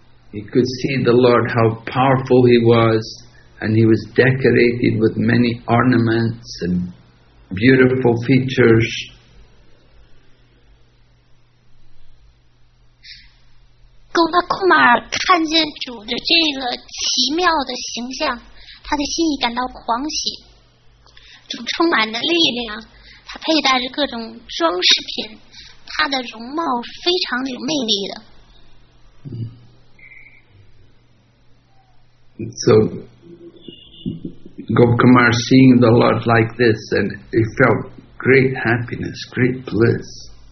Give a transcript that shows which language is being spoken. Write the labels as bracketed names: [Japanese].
[English] He could see the Lord how powerful he was, and he was decorated with many ornaments andBeautiful features. [Chinese] 古巴库马尔看见主的这个奇妙的形象，他的心里感到狂喜。主充满着力量，他佩戴着各种装饰品，他的容貌非常有魅力的。 [English] So. Gopakumar seeing the Lord like this, and he felt great happiness, great bliss.